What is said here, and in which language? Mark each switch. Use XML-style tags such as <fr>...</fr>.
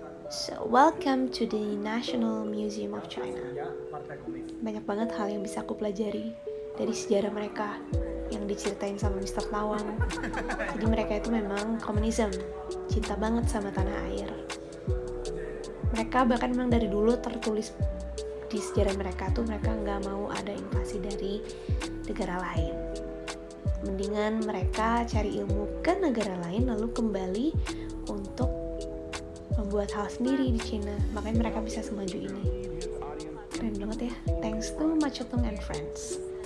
<en>So, welcome to the National Museum of China.</en> <id>Banyak banget hal yang bisa aku pelajari dari sejarah mereka yang diceritain sama Mr. Tawang. Jadi mereka itu memang komunisme, cinta banget sama tanah air. Mereka bahkan memang dari dulu tertulis di sejarah mereka tuh mereka gak mau ada invasi dari negara lain. Mendingan mereka cari ilmu ke negara lain lalu kembali untuk buat hal sendiri di China, makanya mereka bisa semaju ini. Keren banget ya,</id> <en>thanks to Ma Chutong and friends.</en>